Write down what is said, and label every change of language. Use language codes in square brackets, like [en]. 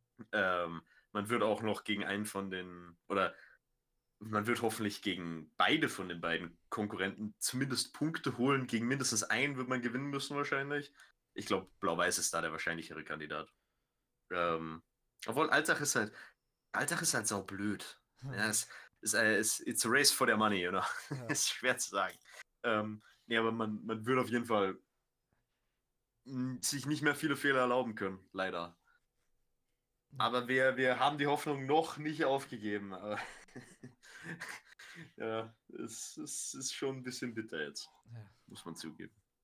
[de] Man wird auch noch gegen einen von den, oder man wird hoffentlich gegen beide von den beiden Konkurrenten zumindest Punkte holen. Gegen mindestens einen wird man gewinnen müssen, wahrscheinlich. Ich glaube, Blau-Weiß ist da der wahrscheinlichere Kandidat. Obwohl, Altach ist halt sau blöd. [en] Ja, it's a race for the money, you know? [de] Ist schwer zu sagen. Nee, aber man würde auf jeden Fall sich nicht mehr viele Fehler erlauben können, leider. Aber wir haben die Hoffnung noch nicht aufgegeben. Aber ja, es ist schon ein bisschen bitter jetzt, muss man zugeben.